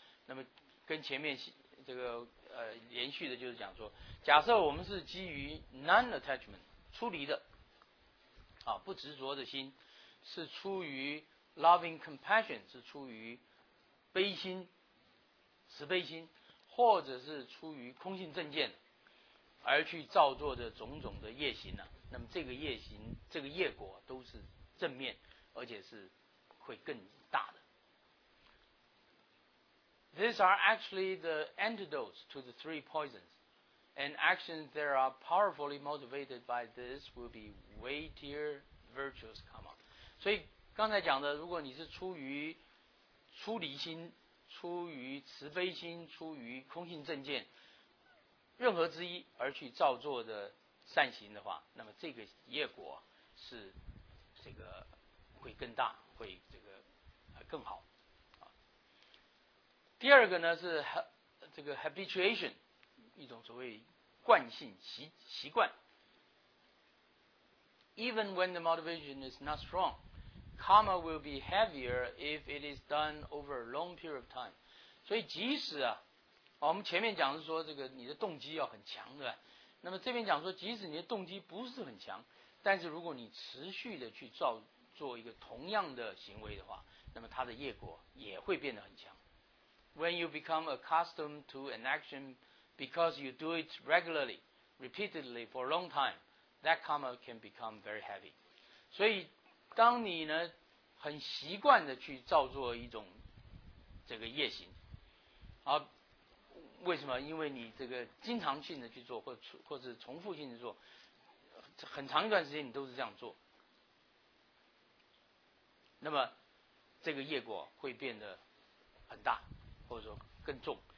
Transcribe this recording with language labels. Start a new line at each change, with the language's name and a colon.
Chinese: 那么跟前面这个连续的，就是讲说，假设我们是基于 non-attachment 出离的，啊，不执着的心，是出于
English: loving compassion，
Chinese: 是出于悲心、慈悲心，或者是出于空性正见而去造作的种种的业行呢、啊？那么这个业行、这个业果都是正面，而且是会更大的。
English: These are actually the antidotes to the three poisons, and actions that are powerfully motivated by this will be weightier virtues. Come on.
Chinese: 所以刚才讲的，如果你是出于出离心，出于慈悲心，出于空性正见，任何之一而去造作的善行的话，那么这个业果是这个会更大，会这个更好。第二个呢是这个 habituation， 一种所谓惯性习惯。
English: Even when the motivation is not strong。 Karma will be heavier if it is done over a long period of time.
Chinese: 所以即使啊，我们前面讲是说这个你的动机要很强，对吧？那么这边讲说，即使你的动机不是很强，但是如果你持续的去造作一个同样的行为的话，那么它的业果也会变得很强。
English: When you become accustomed to an action because you do it regularly, repeatedly for a long time, that karma can become very heavy.
Chinese: 所以当你呢很习惯的去造作一种这个业行，啊，为什么？因为你这个经常性的去做，或是重复性的做，很长一段时间你都是这样做，那么这个业果会变得很大，或者说更重。